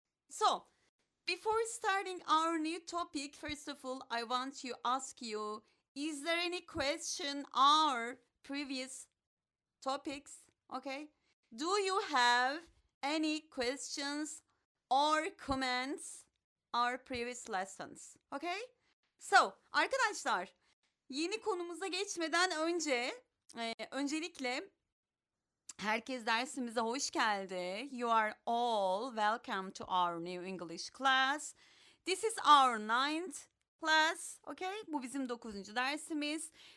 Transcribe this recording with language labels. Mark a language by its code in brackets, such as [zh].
[en] So, before starting our new topic, first of all, I want to ask you, is there any question our previous topics, okay? Do you have any questions or comments our previous lessons, okay? [tr] So, arkadaşlar, yeni konumuza geçmeden önce, öncelikle herkes dersimize hoş geldi. [en] You are all welcome to our new English class. This is our 9th class, okay? [tr] Bu bizim 9. dersimiz.